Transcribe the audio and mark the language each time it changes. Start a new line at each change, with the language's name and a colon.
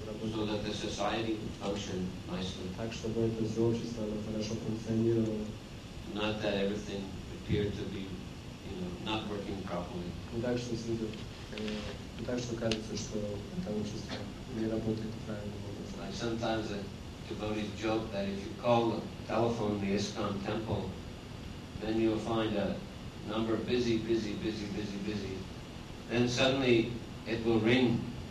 Russian: работой.
English: So that the society would function nicely.
Russian: Так, чтобы это сообщество, оно хорошо функционировало.
English: Not that everything appeared to be, you know, not working properly.
Russian: Так, что среду, так, что кажется, что это общество не работает правильно.
English: Sometimes a devotee's joke that if you call the telephone in the ISKCON temple, then you'll find a number busy, busy, busy, busy, busy. Then suddenly it will ring,